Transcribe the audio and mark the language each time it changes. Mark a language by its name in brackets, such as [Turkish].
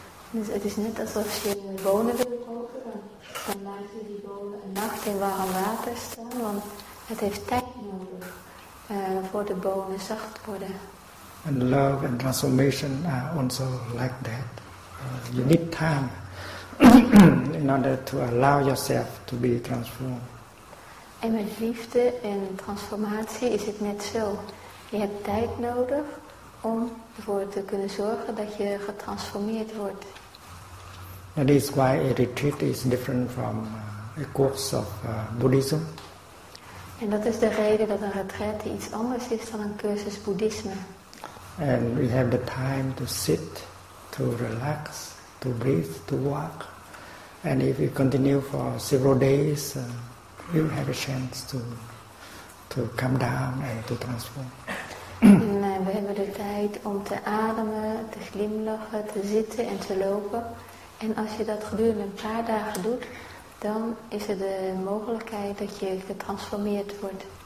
[Dutch] Dus het is net alsof je bonen wil koken, dan laat je die bonen een nacht in warm water staan, want het heeft tijd nodig voor de bonen zacht te worden. [English] And love and transformation are also like that. You need time in order to allow yourself to be transformed. [Dutch] En met liefde en transformatie is het net zo. Je hebt tijd nodig om ervoor te kunnen zorgen dat je getransformeerd wordt. [English] That is why a retreat is different from a course of Buddhism. [Dutch] En dat is de reden dat een retraite iets anders is dan een cursus boeddhisme. [English] And we have the time to sit, to relax, to breathe, to walk. And if we continue for several days, we will have a chance to come down and to transform. [Dutch] En we hebben de tijd om te ademen, te glimlachen, te zitten en te lopen. En als je dat gedurende een paar dagen doet, dan is er de mogelijkheid dat je getransformeerd wordt.